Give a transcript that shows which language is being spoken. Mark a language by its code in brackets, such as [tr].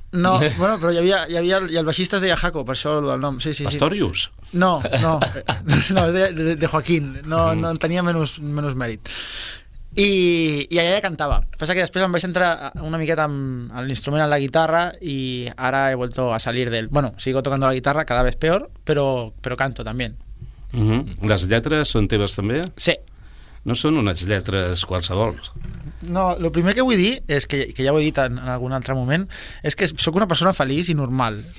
[ca] No, bueno, però hi havia i el baixista es deia Jaco, per això el nom. Sí. Pastorius? No, es deia de Joaquín, no tenia menys mèrit. I allà ja cantava. Passa que després em vaig entrar una miqueta amb l'instrument, en la guitarra, i ara [es] he vuelto a salir del... Bueno, sigo tocando la guitarra, cada vez peor, però canto también. Mm-hmm. [ca] Les lletres són teves també? Sí. No són unes lletres qualsevol? No, el primer que vull dir, és que ja ho he dit en algun altre moment, és que sóc una persona feliç i normal.